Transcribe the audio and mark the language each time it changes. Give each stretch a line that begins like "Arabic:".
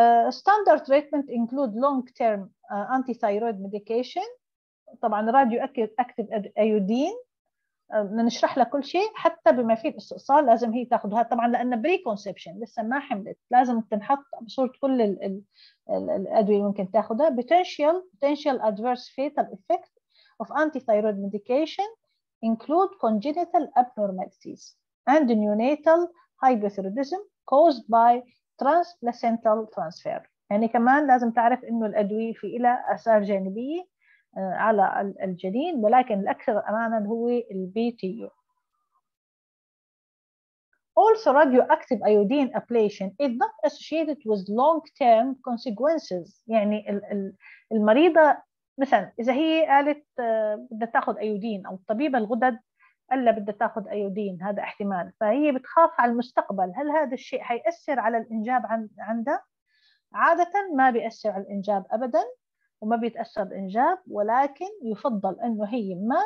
English: Standard treatment include long-term anti-thyroid medication. طبعاً radioactive iodine.
Arabic: نشرح لها كل شيء حتى بما فيه الاستئصال لازم هي تاخذها طبعاً لأن pre-conception لسه ما حملت، لازم تنحط بصورة كل الأدوية ممكن تاخذها.
English: Potential adverse fatal effect of anti-thyroid medication include congenital abnormalities and neonatal hypothyroidism caused by transplacental transfer.
Arabic: يعني كمان لازم تعرف إنه الأدوية في إلى أثار جانبية على الجنين، ولكن الأكثر أمانا هو البيتيو.
English: Also radioactive iodine ablation is not associated with long-term consequences.
Arabic: يعني المريضة مثلا إذا هي قالت بدها تأخذ أيودين، أو الطبيب الغدد ألا بدها تأخذ أيودين، هذا احتمال، فهي بتخاف على المستقبل، هل هذا الشيء حيأثر على الإنجاب عندها؟ عادة ما بيأثر على الإنجاب أبدا وما بيتأثر الإنجاب، ولكن يفضل أنه هي